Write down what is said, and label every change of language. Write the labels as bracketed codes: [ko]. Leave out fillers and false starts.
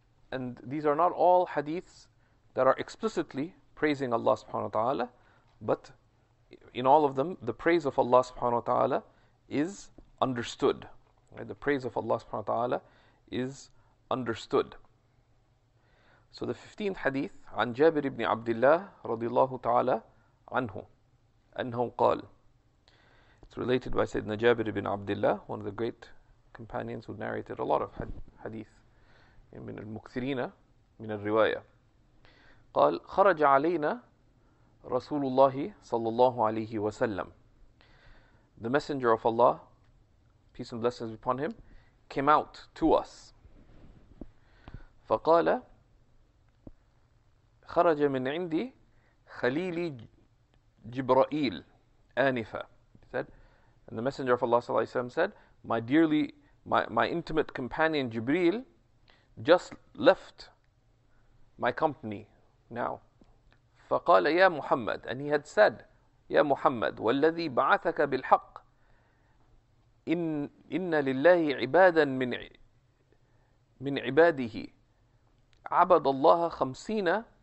[en] And these are not all hadiths that are explicitly praising Allah subhanahu wa ta'ala, but in all of them, the praise of Allah subhanahu wa ta'ala is understood. The praise of Allah subhanahu wa ta'ala is understood. So the 15th hadith, [ar] عن جابر بن عبد الله رضي الله تعالى عنه أنه قال. [en] It's related by Sayyidina Jabir ibn Abdullah, one of the great companions who narrated a lot of hadith. [ar] من المكثرين من الرواية. قال خرج علينا رسول الله صلى الله عليه وسلم. [en] The messenger of Allah, peace and blessings be upon him, came out to us. [ar] فقال خرج من عندي خليلي جبرائيل آنفا. [en] He said, and the messenger of Allah [ar] صلى الله عليه وسلم [en] said, my intimate companion Jibreel just left my company now. [ar] فقال يا محمد, [en] and he had said, [ar] يا محمد والذي بعثك بالحق إن لله عبادا من عباده عبد الله خمسين